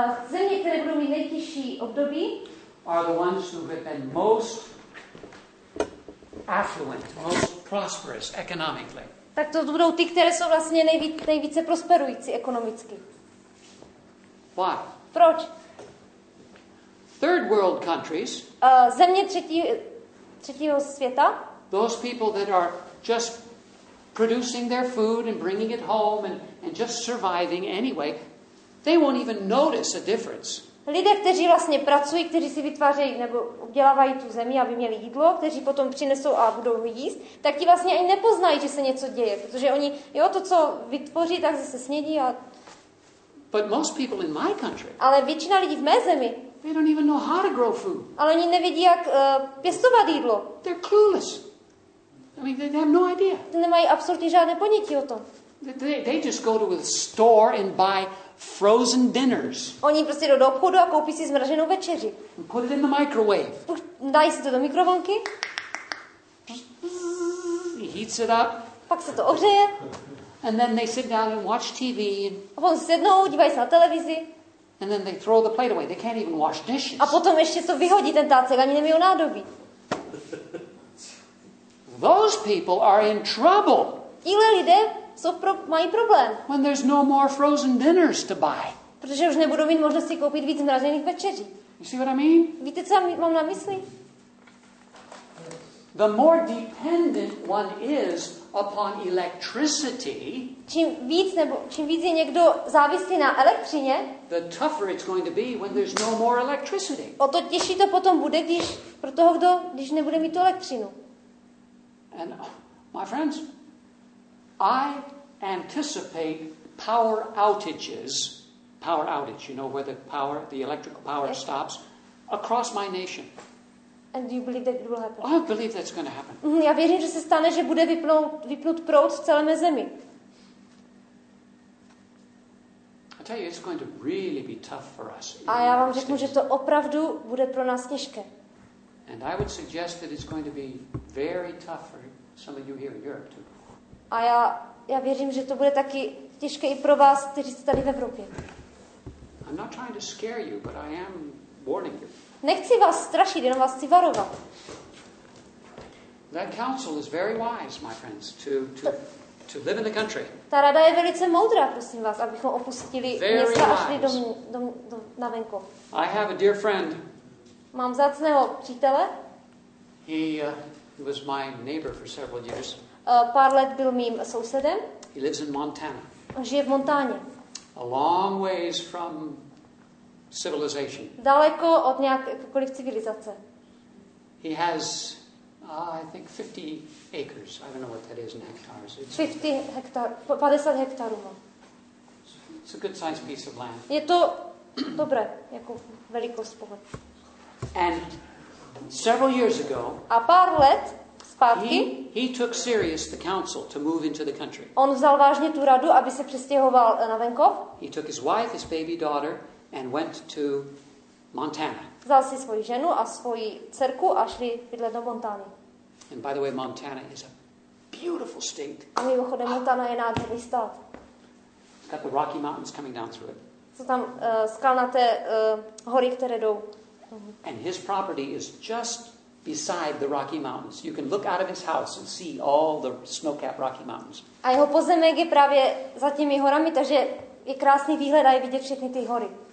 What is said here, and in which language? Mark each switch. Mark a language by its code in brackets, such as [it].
[cs] Země, které budou mít nejtěžší období. [en] Are the ones who have been most affluent, most prosperous economically. [cs] Tak to budou ty, které jsou vlastně nejvíce prosperující ekonomicky. [en] Why? [cs] Proč? [en] third world countries, [cs] země třetího světa, [en] those people that are just producing their food and bringing it home and just surviving anyway, they won't even notice a difference. [cs] Lidé, kteří vlastně pracují, kteří si vytvářejí nebo obdělávají tu zemi, aby měli jídlo, kteří potom přinesou a budou jíst, tak ti vlastně ani nepoznají, že se něco děje, protože oni, jo, to, co vytvoří, tak zase snědí a... [en] But most people in my country, [cs] ale většina lidí v mé zemi, [en] they don't even know how to grow food. [cs] Ale oni nevědí, jak pěstovat jídlo. [en] They're clueless. I mean, they have no idea. [cs] Ty nemají absolutně žádné ponětí o tom. [en] They just go to a store and buy frozen dinners. [cs] Oni prostě jdou do obchodu a koupí si zmrazenou večeři. [en] Put it in the microwave. [cs] Dají si to do mikrovlnky. [en] Heats it up. [cs] Pak se to ohřeje. [en] And then they sit down and watch TV. [cs] A potom sednou, dívají se na televizi. [en] And then they throw the plate away. They can't even wash dishes. [cs] A potom ještě to vyhodí ten tácek, ani nemyjou nádobí. [en] Those people are in trouble. [cs] Tíhle lidé jsou mají problém. [en] When there's no more frozen dinners to buy. [cs] Protože už nebudou mít možnosti koupit víc zmrazených večeří. [en] You see what I mean? [cs] Víte, co mám na mysli? [en] The more dependent one is upon electricity, [cs] čím víc je někdo závislý na elektřině, [en] the tougher it's going to be when there's no more electricity. [cs] O to těžší to potom bude, když pro toho, kdo, když nebude mít tu elektřinu. [en] And my friends, I anticipate power outages, you know, where the electrical power okay. stops, across my nation. And do you believe that it will happen? I believe that's going to happen. [cs] Já věřím, že se stane, že bude vypnut proud v celé mé zemi. [en] I tell you, it's going to really be tough for us. [cs] A já vám řeknu, že to opravdu bude pro nás těžké. [en] And I would suggest that it's going to be very tough for some of you here in Europe too. [cs] A já věřím, že to bude taky těžké i pro vás, kteří jste tady v Evropě. [en] I'm not trying to scare you, but I am warning you. [cs] Nechci vás strašit, jenom vás chci varovat. [en] That council is very wise, my friends, to live in the country. [cs] Ta rada je velice moudrá, prosím vás, abychom opustili města a šli na venkov. [en] I have a dear friend. [cs] Mám vzácného přítele. [en] He was my neighbor for several years. [cs] Pár let byl mým sousedem. [en] He lives in Montana. [cs] On žije v Montáně. [en] A long ways from civilization. [cs] Daleko od nějakékoliv civilizace. [en] He has, I think, 50 acres. I don't know what that is in hectares. It's 50 hektarů. It's a good sized piece of land. [cs] Je to dobré, jako velikost pohled. [en] And several years ago, [cs] a pár let zpátky, [en] he took serious the council to move into the country. [cs] On vzal vážně tu radu, aby se přestěhoval na venkov. [en] He took his wife, his baby daughter, and went to Montana. [cs] Vzal si svoji ženu a svoji dcerku a šli bydlet do Montany. [en] And by the way, Montana is a beautiful state. [cs] A mimochodem, Montana je nádherný stát. [en] It's got the Rocky Mountains coming down through it. [cs] Jsou tam skalnaté hory, které jdou. [en] And his property is just beside the Rocky Mountains. You can look out of his house and see all the snow-capped Rocky Mountains. [cs] A jeho pozemek je právě za těmi horami, takže je krásný výhled a je vidět všechny ty hory.